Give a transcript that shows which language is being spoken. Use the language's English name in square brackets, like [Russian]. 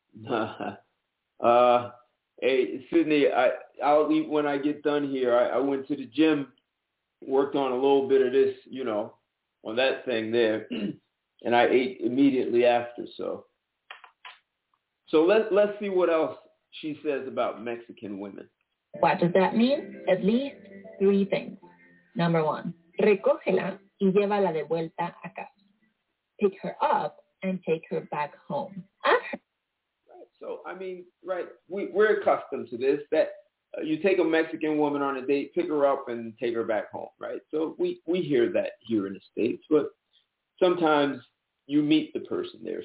[English] Hey, Sydney, when I get done here, I went to the gym, worked on a little bit of this, you know, on that thing there, and I ate immediately after, so. So let's see what else she says about Mexican women. What does that mean? At least three things. Number one, [Spanish] recógela y llévala de vuelta a casa. [English] Pick her up and take her back home. So, I mean, right, we're accustomed to this, that you take a Mexican woman on a date, pick her up, and take her back home, right? So we hear that here in the States, but sometimes you meet the person there.